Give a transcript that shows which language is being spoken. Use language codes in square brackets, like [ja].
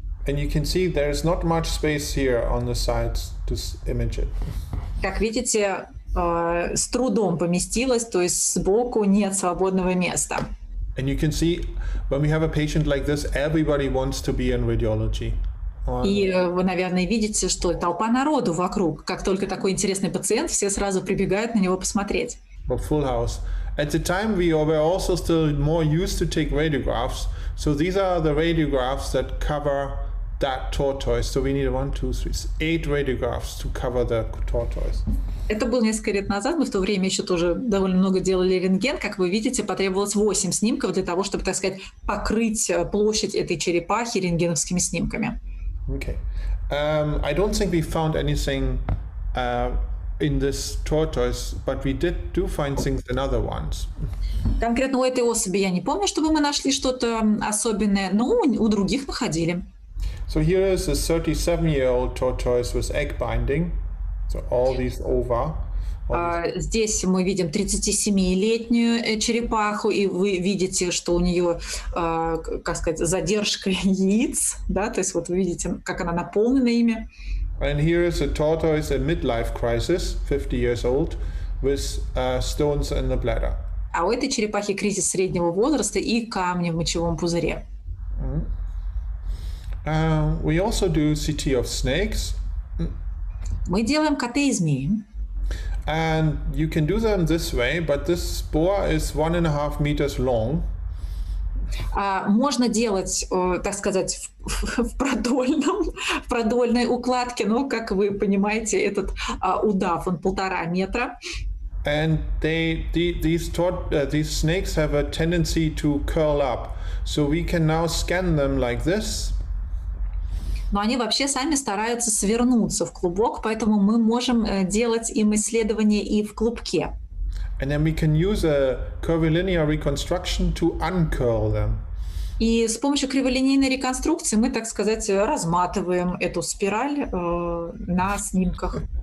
[en] And you can see there's not much space here on the sides to image it. [ru] Как видите, с трудом поместилось, то есть сбоку нет свободного места. [en] And you can see when we have a patient like this, everybody wants to be in radiology. [ru] И вы, наверное, видите, что толпа народу вокруг. Как только такой интересный пациент, все сразу прибегают на него посмотреть. [en] But full house. At the time, we were also still more used to take radiographs. So these are the radiographs that cover that tortoise. So we need 8 radiographs to cover the tortoise. [ru] Это было несколько лет назад. Мы в то время еще тоже довольно много делали рентген. Как вы видите, потребовалось 8 снимков для того, чтобы, так сказать, покрыть площадь этой черепахи рентгеновскими снимками. [en] Okay. I don't think we found anything in this tortoise, but we did do find things in other ones. [ru] Конкретно у этой особи я не помню, чтобы мы нашли что-то особенное, но у других находили. [en] So here is a 37-year-old tortoise with egg binding. So all these ova. [ru] Здесь мы видим 37-летнюю черепаху, и вы видите, что у нее, как сказать, задержка яиц, да, то есть вот вы видите, как она наполнена ими. [en] And here is a tortoise in midlife crisis, 50 years old, with stones in the bladder. [ru] А у этой черепахи кризис среднего возраста и камни в мочевом пузыре. [en] We also do CT of snakes. [ru] Мы делаем КТ и змеи. [en] And you can do them this way, but this boa is 1.5 meters long. [ru] Можно делать, так сказать, в продольной укладке, но, как вы понимаете, этот удав, он 1.5 метра. [en] And these snakes have a tendency to curl up, so we can now scan them like this. [ru] Но они вообще сами стараются свернуться в клубок, поэтому мы можем делать им исследование и в клубке. [en] And then we can use a curvilinear reconstruction to uncurl them. [ru] И с помощью криволинейной реконструкции мы, так сказать, разматываем эту спираль на снимках.